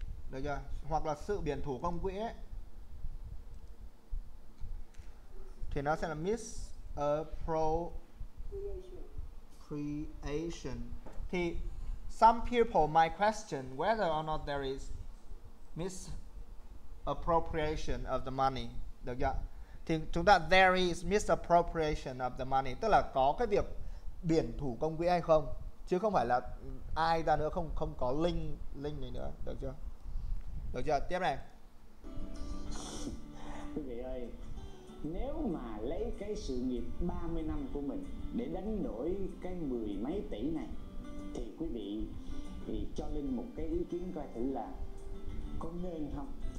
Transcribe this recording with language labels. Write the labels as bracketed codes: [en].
[vi] Được chưa? Hoặc là sự biển thủ công quỹ ấy, thì nó sẽ là misappropriation. [en] Thì some people might question whether or not there is misappropriation of the money. [vi] Được chưa? Thì chúng ta [en] there is misappropriation of the money, [vi] tức là có cái việc biển thủ công quỹ hay không, chứ không phải là ai ra nữa không có link này nữa. Được chưa? Tiếp này. Quý vị ơi, nếu mà lấy cái sự nghiệp 30 năm của mình để đánh đổi cái mười mấy tỷ này, thì quý vị thì cho Linh một cái ý kiến coi thử là có nên không?